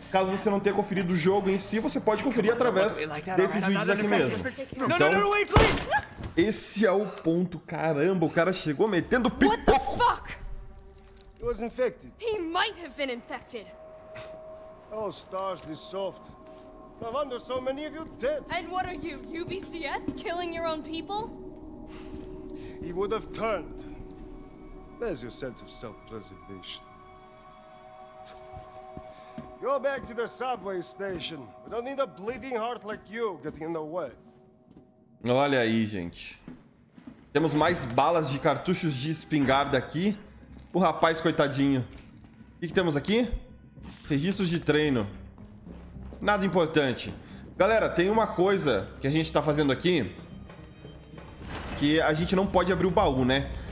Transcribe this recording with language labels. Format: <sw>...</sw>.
<pt>Caso você não tenha conferido o jogo em si, você pode conferir através desses vídeos aqui mesmo. Então, esse é o ponto. Caramba, o cara chegou metendo pipoco. O que foi? Ele foi infectado. Ele poderia ter sido infectado.</pt> <en>Oh, stars, this soft. No wonder so many of you dead.</en> <pt>E o que</pt> <en>are you? UBCS? Killing your own people? He would have turned. Where's your sense of self-preservation? Go back to the subway station. We don't need a bleeding heart like you getting in the way.</en> <pt>Olha aí, gente. Temos mais balas de cartuchos de espingarda aqui. O rapaz, coitadinho. O que temos aqui? Registros de treino. Nada importante. Galera, tem uma coisa que a gente tá fazendo aqui. Que a gente não pode abrir o baú, né?</pt>